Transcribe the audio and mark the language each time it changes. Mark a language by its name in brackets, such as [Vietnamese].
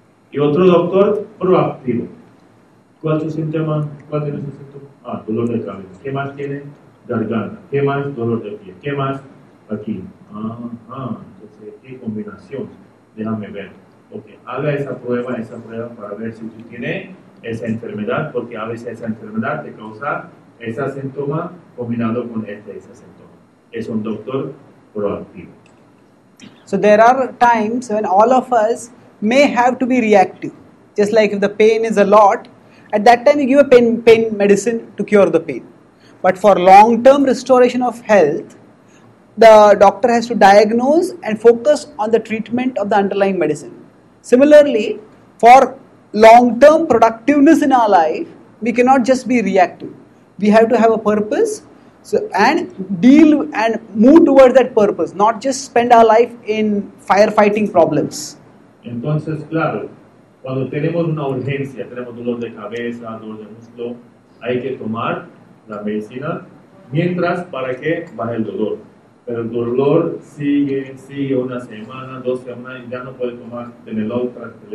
[Spanish] Y otro doctor proactivo. ¿Cuál es su síntoma? ¿Cuál tiene su síntoma? Ah, dolor de cabeza. ¿Qué más tiene? Garganta. ¿Qué más? Dolor de pie. ¿Qué más? Aquí. Entonces, ¿qué combinación? Déjame ver. Ok, haga esa prueba para ver si usted tiene esa enfermedad, porque a veces esa enfermedad te causa ese síntoma combinado con ese síntoma. Es un doctor proactivo. [English] So, there are times when all of us may have to be reactive. Just like if the pain is a lot, at that time, you give a pain medicine to cure the pain. But for long-term restoration of health, the doctor has to diagnose and focus on the treatment of the underlying medicine. Similarly, for long-term productiveness in our life, we cannot just be reactive. We have to have a purpose and deal and move towards that purpose, not just spend our life in firefighting problems. [Spanish] Entonces, claro. Cuando tenemos una urgencia, tenemos dolor de cabeza, dolor de muslo, hay que tomar la medicina mientras para que baje el dolor. Pero el dolor sigue una semana, dos semanas, y ya no puede tomar Tylenol, ¿verdad?